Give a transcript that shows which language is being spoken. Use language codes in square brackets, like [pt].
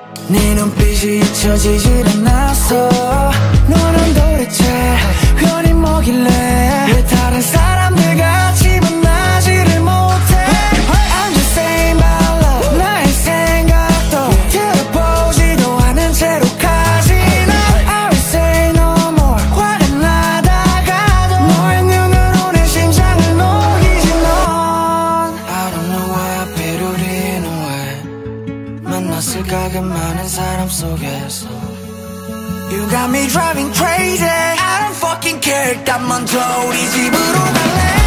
[ko] 네 눈빛이 잊혀지질 않았어. 너는 도대체 흔히 뭐길래 왜 다른 사람들 같이 만나지를 못해. [en] Hey, I'm just saying my love. [ko] 나의 생각도 들어보지도 않은 채로 가지 나. [en] I will say no more. [ko] 화가 나다가도 너의 눈으로 내 심장을 녹이지 넌. [en] I don't know why I paid all in a way. [ko] 만났을까 그 많은 사람 속에서. [en] You got me driving crazy. I don't fucking care. [ko] 일단 먼저 우리 집으로 갈래.